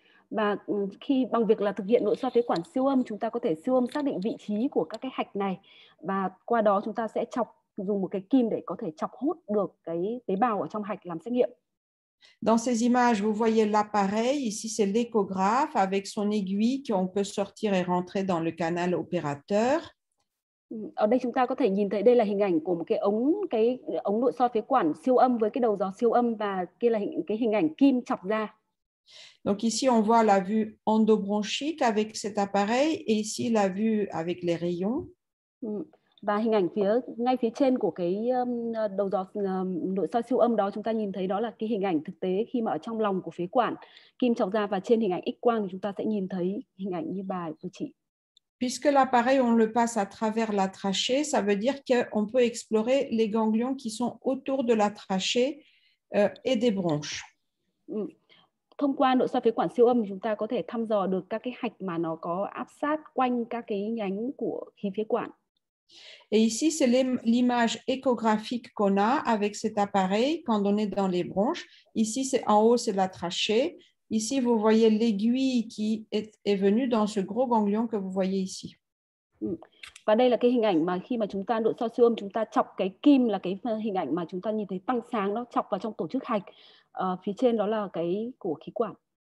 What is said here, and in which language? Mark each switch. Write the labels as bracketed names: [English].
[Vietnamese] Và khi bằng việc là thực hiện nội soi phế quản siêu âm, chúng ta có thể siêu âm xác định vị trí của các cái hạch này và qua đó chúng ta sẽ chọc, dùng một cái kim để có thể chọc hút được cái tế bào ở trong hạch làm xét nghiệm. [French] Dans ces images, vous voyez l'appareil. Ici, c'est l'échographe avec son aiguille qu'on peut sortir et rentrer dans le canal opérateur. [Vietnamese] Ở đây chúng ta có thể nhìn thấy đây là hình ảnh của một cái ống nội soi phế quản siêu âm với cái đầu dò siêu âm và kia là cái hình ảnh kim chọc ra. [French] Donc ici on voit la vue endobronchique avec cet appareil et ici la vue avec les rayons. [Vietnamese] Và hình ảnh phía ngay phía trên của cái đầu dò nội soi siêu âm đó chúng ta nhìn thấy đó là cái hình ảnh thực tế khi mà ở trong lòng của phế quản kim chọc ra và trên hình ảnh X quang thì chúng ta sẽ nhìn thấy hình ảnh như bài của chị. [French] Puisque l'appareil on le passe à travers la trachée, ça veut dire qu'on peut explorer les ganglions qui sont autour de la trachée et des bronches. [Vietnamese] Thông qua nội soi phế quản siêu âm chúng ta có thể thăm dò được các cái hạch mà nó có áp sát quanh các cái nhánh của khí phế quản. [French] Et ici c'est l'image échographique qu'on a avec cet appareil quand on est dans les bronches. Ici c'est en haut, c'est la trachée. Ici vous voyez l'aiguille qui est venue dans ce gros ganglion que vous voyez ici. [Vietnamese] Và đây là cái hình ảnh mà khi mà chúng ta nội soi siêu âm chúng ta chọc cái kim là cái hình ảnh mà chúng ta nhìn thấy tăng sáng nó chọc vào trong tổ chức hạch. Phía trên đó là cái của khí quản.